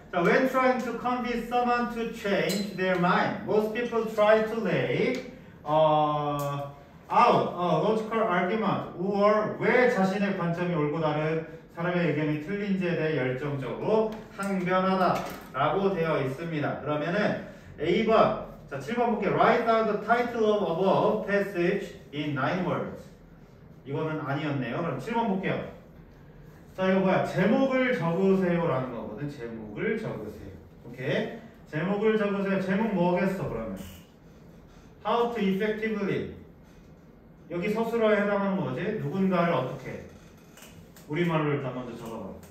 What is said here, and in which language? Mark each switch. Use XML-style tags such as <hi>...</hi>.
<en>자, when trying to convince someone to change their mind, most people try to lay out a logical argument or</en> <ko>왜 자신의 관점이 옳고 다른 사람의 의견이 틀린지에 대해 열정적으로 항변하다 라고 되어 있습니다. 그러면은 A번, 자, 7번 볼게요.</ko> <en>Write down the title of above passage in 9 words.</en> <ko>이거는 아니었네요. 그럼 7번 볼게요. 자, 이거 뭐야? 제목을 적으세요 라는 거거든. 제목을 적으세요. 오케이. 제목을 적으세요. 제목 뭐겠어 그러면?</ko> <en>How to effectively.</en> <ko>여기 서술어에 해당하는 거지? 누군가를 어떻게. 우리말로 일단 먼저 적어봐.</ko>